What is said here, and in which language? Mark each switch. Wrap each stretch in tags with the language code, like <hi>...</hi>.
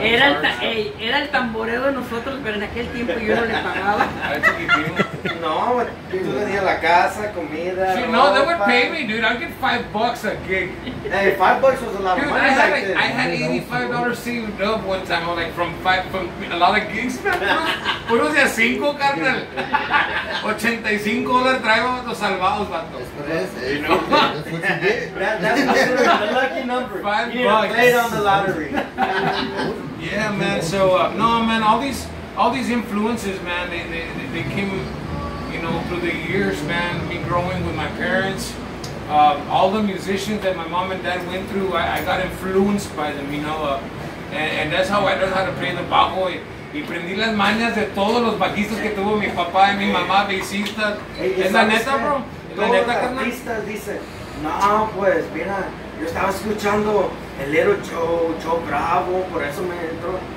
<es>Era el tamborero de nosotros, pero en aquel tiempo yo no le pagaba. No, tú tenías la casa, comida.</es> <en>See, no, they would pay me, dude. I'd get $5 a gig. Hey, $5 was a lot dude, of money. I had $85 saved up one time. I was like, from a lot of gigs.</en> <es>Por eso decía 5, carnal. $85 traigo a los salvados, bato.</es> <en>That's what you did. Lucky number. $5. Played on the lottery. Yeah, man. So no, man. All these influences, man. They came, you know, through the years, man. Me growing with my parents, all the musicians that my mom and dad went through, I got influenced by them, you know. And that's how I learned how to play the bajo.</en> <es>Y prendí las mañas de todos los bajistas que tuvo mi papá y mi mamá bajistas. Es la neta, bro. Todos los bajistas dicen, no, pues, mira. Yo estaba escuchando el Little Joe Bravo, por eso me entró.</es>